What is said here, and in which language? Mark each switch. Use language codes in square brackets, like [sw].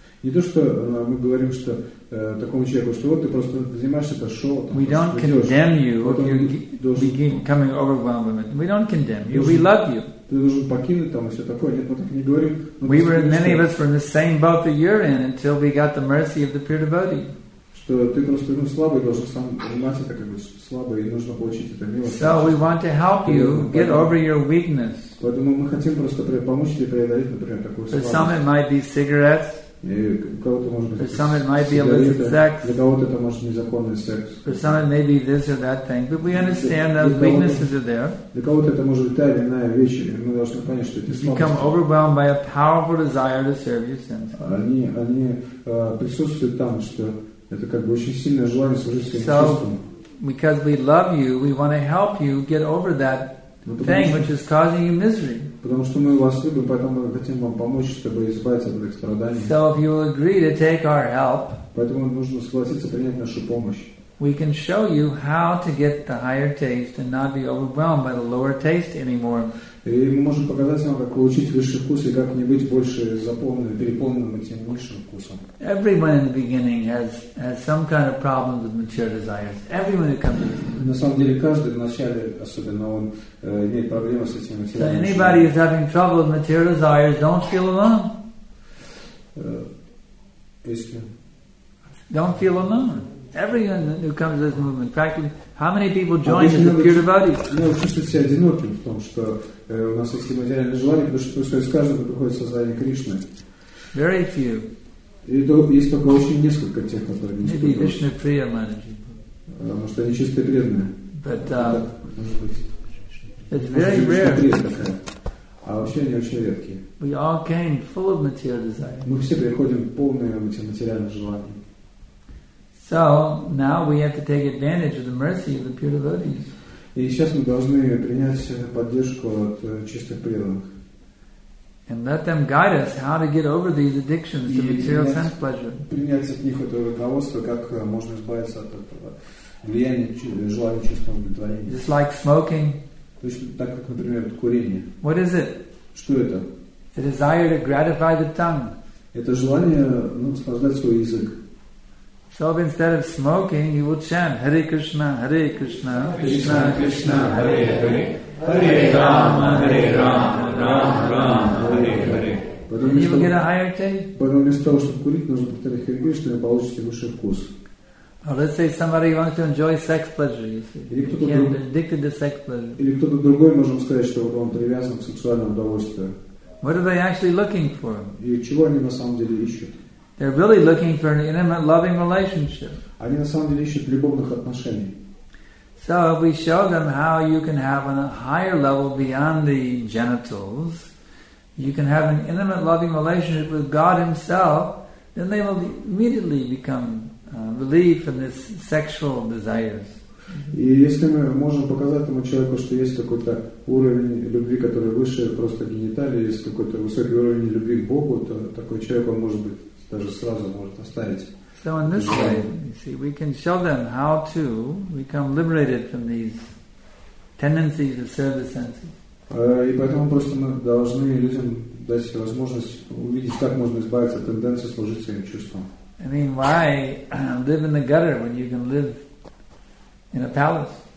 [ru] Не то что мы говорим, что такому человеку, что вот ты просто занимаешься это шоу. [en] We don't condemn you. You're becoming overwhelmed with it. We don't condemn you. We love you. [ru] Ты должен покинуть там и все такое. Нет, мы так не говорим. [en] We were many of us were in the same boat that you're in until we got the mercy of the pure devotee. [ru] Что ты просто, ну, слабый, должен сам заниматься, так как бы слабый, и нужно получить это милость. [en] So we want to help you get over your weakness. [ru] Поэтому мы хотим просто помочь тебе преодолеть, например, такую слабость. [en] For some it might be cigarettes. For some it might be illicit sex. [ru] Для кого-то это может незаконный секс. [en] For some it may be this or that thing, but we understand those weaknesses are there. [ru] Для кого-то это может быть та или иная вещь, и мы должны понять, что это слабость. [en] Become overwhelmed by a powerful desire to serve your senses. [ru] Они присутствуют там, что это как бы очень сильное желание служить своим чувствам. [en] Because we love you, we want to help you get over that thing which is causing you misery. [ru] Потому что мы вас любим, поэтому мы хотим вам помочь, чтобы избавиться от этих страданий. [en] So if you agree to take our help, [ru] поэтому нужно согласиться принять нашу помощь. [en] We can show you how to get the higher taste and not be overwhelmed by the lower taste anymore. [ru] И мы можем показать вам, как получить высший вкус и как не быть больше заполненным, переполненным этим высшим вкусом. [en] Everyone in the beginning has some kind of problem with mature desires. Everyone who comes. [ru] На самом деле каждый в начале, особенно он, имеет проблемы с этим. [en] So anybody who's having trouble with mature desires, don't feel alone. Don't feel alone. Everyone who comes to this movement, practically, how many people join as the pure devotees? [ru] Ну, вы чувствуете себя одиноким в том, что у нас есть материальные желания, потому что происходит с каждым, кто приходит в сознание Кришны. [en] Very few. [ru] И есть только очень несколько тех, которые не испытывают. [en] Maybe Vishnu Priya Manaji. [ru] Потому что они чистые преданные. [en] But, it's very rare. [ru] А вообще они очень редкие. [en] We all came full of material desire. [ru] Мы все приходим полные этих материальных желаний. [en] So now we have to take advantage of the mercy of the pure devotees. [ru] И сейчас мы должны принять поддержку от чистых преданных. [en] And let them guide us how to get over these addictions to material sense pleasure. [ru] Принять от них это руководство, как можно избавиться от этого влияния желания чистого удовлетворения. [en] Just like smoking. [ru] То есть так как, например, курение. [en] What is it? [ru] Что это? [en] The desire to gratify the tongue. [ru] Это желание, ну, наслаждать свой язык. [en] So if instead of smoking, you will chant Hare Krishna, Hare Krishna, Krishna Krishna, Krishna Hare Hare, Hare Rama, Hare Rama, Rama Rama, Hare Hare. And you will get a higher taste. [ru] Потом вместо того, чтобы курить, нужно повторить Hare Krishna, и получите высший вкус. [en] Or let's say somebody wants to enjoy sex pleasure. You see, you can be addicted to sex pleasure. [ru] Или кто-то другой, можем сказать, что он привязан к сексуальному удовольствию. [en] What are they actually looking for? [ru] И чего они на самом деле ищут? [en] They're really looking for an intimate, loving relationship. [ru] Они на самом деле ищут любовных отношений. [en] So if we show them how you can have on a higher level beyond the genitals, you can have an intimate, loving relationship with God Himself, then they will immediately become relieved from this sexual desires. [ru] И если мы можем показать тому человеку, что есть какой-то уровень любви, который выше просто гениталий, есть какой-то высокий уровень любви к Богу, то такой человек он может быть. Даже сразу может оставить. [en] So in this way, you see, we can show them how to become liberated from these tendencies of service senses. [ru] И поэтому просто мы должны людям дать возможность увидеть, как можно избавиться от тенденции служить своим чувствам. [en] I mean, why live in the gutter when you can live in a palace?